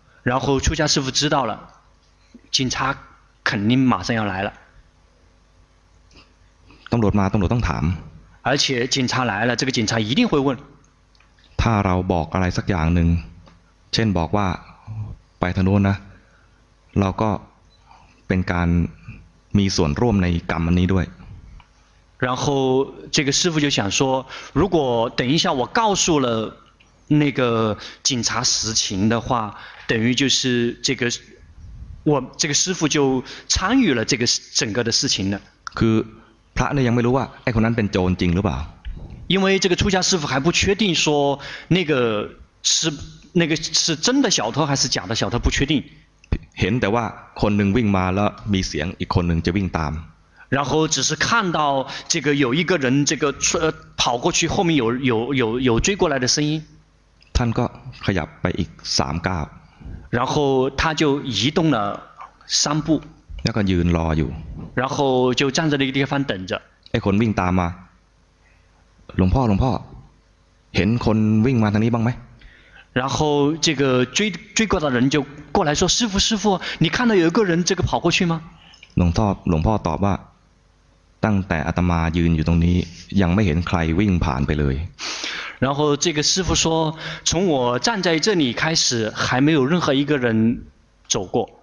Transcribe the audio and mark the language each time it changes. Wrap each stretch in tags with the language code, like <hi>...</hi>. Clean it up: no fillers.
<zh>然后出家师父知道了警察肯定马上要来了</zh> <th>ตำรวจมาตำรวจต้องถาม</th> <zh>而且警察来了这个警察一定会问</zh> <th>ถ้าเราบอกอะไรสักอย่างหนึ่งเช่นบอกว่าไปทางโน้นนะเราก็เป็นการมีส่วนร่วมในกรรมอันนี้ด้วย</th> <zh>然后这个师父就想说如果等一下我告诉了那个警察实情的话等于就是这个我这个师父就参与了这个整个的事情呢</zh> <th>คือพระเนี่ยยังไม่รู้ว่าไอ้คนนั้นเป็นโจรจริงหรือเปล่า</th> <zh>因为这个出家师父还不确定说那个是真的小偷还是假的小偷不确定</zh> <th>เห็นแต่ว่าคนหนึ่งวิ่งมาแล้วมีเสียงอีกคนหนึ่งจะวิ่งตาม</th> <zh>然后只是看到这个有一个人这个跑过去后面有追过来的声音</zh> <th>ท่านก็ขยับไปอีก3ก้าว</th> <zh>然后他就移动了3步</zh> <th>แล้วก็ยืนรออยู่</th> <zh>然后就站在那个地方等着</zh> <th>ไอ้คนวิ่งตามมาหลวงพ่อหลวงพ่อ ห็นคนวิ่งมาทางนี้บ้างไหม</th> <zh>然后这个追过的人就过来说师父师父你看到有一个人这个跑过去吗</zh> <th>หลวงพ่อตอบว่าตั้งแต่อาตมายืนอยู่ตรงนี้ยังไม่เห็นใครวิ่งผ่านไปเลย</th> <zh>然后这个师父说从我站在这里开始还没有任何一个人走过</zh>